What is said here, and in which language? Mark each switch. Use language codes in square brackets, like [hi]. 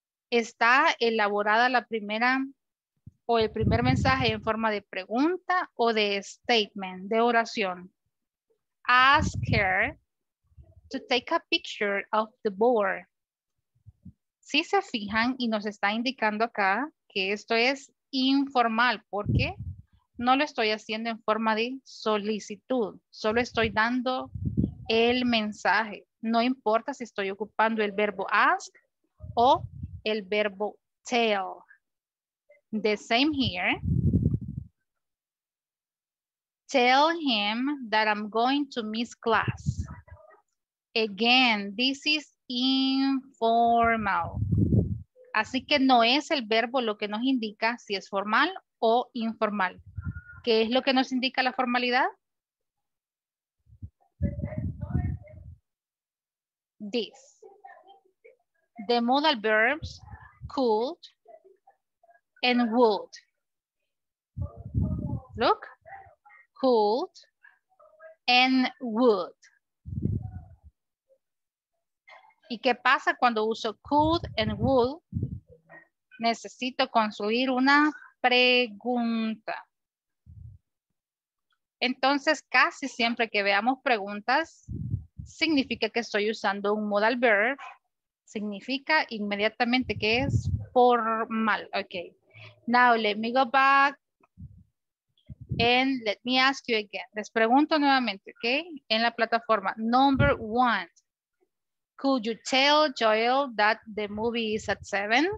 [es] ¿Está elaborada la primera o el primer mensaje en forma de pregunta o de statement, de oración? [en] Ask her to take a picture of the board. [es] Si se fijan y nos está indicando acá que esto es informal, porque no lo estoy haciendo en forma de solicitud, solo estoy dando el mensaje. No importa si estoy ocupando el verbo ask o el verbo tell. [en] The same here. Tell him that I'm going to miss class. Again, this is informal. [es] Así que no es el verbo lo que nos indica si es formal o informal. ¿Qué es lo que nos indica la formalidad? [en] This. The modal verbs could and would. Look. Could and would. [es] ¿Y qué pasa cuando uso could and would? Necesito construir una pregunta. Entonces, casi siempre que veamos preguntas, significa que estoy usando un modal verb. Significa inmediatamente que es formal. Ok. [en] Now, let me go back and let me ask you again. [es] Les pregunto nuevamente, ok, en la plataforma. [en] Number one. Could you tell Joel that the movie is at 7?